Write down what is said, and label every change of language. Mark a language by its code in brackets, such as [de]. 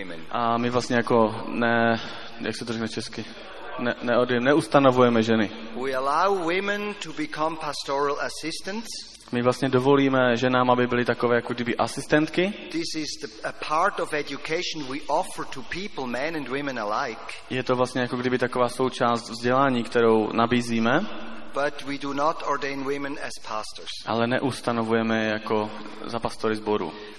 [cs] A my vlastně jako ne, jak se to říká česky? Neustanovujeme ženy. [en] We allow women to become pastoral assistants. [cs] My vlastně dovolíme ženám, aby byly takové jako kdyby asistentky. [en] This is a part of education we offer to people, men and women alike. [cs] Je to vlastně jako kdyby taková součást vzdělání, kterou nabízíme. [en] But we do not ordain women as pastors. [cs] Ale neustanovujeme jako za pastory sboru.